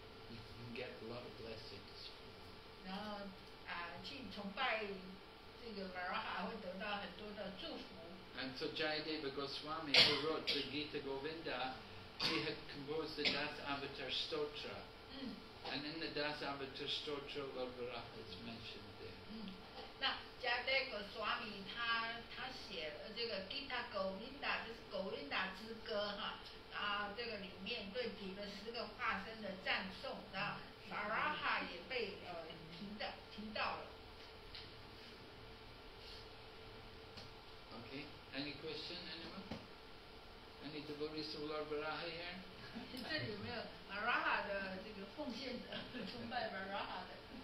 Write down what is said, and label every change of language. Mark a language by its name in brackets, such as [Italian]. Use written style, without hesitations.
[English] You can get a lot of blessings. [Chinese] 然后啊，去崇拜这个 Varaha 会得到很多的祝福。 [English] And so Jayadeva Goswami, who wrote the Gita Govinda, he had composed the Das Avatar Stotra. And in the Das Avatar Stotra, Lord Varaha is mentioned there. [Chinese] 那 Jayadeva Goswami 他写了这个 Gita Govinda, 就是 Govinda 之歌哈。这个里面对提了十个化身的赞颂，那 Varaha 也被提到了。 [English] Okay, any question, anyone? Any devotees of Lord Varaha here? [Chinese] 这里有没有 Varaha 的这个奉献的崇拜 Varaha 的？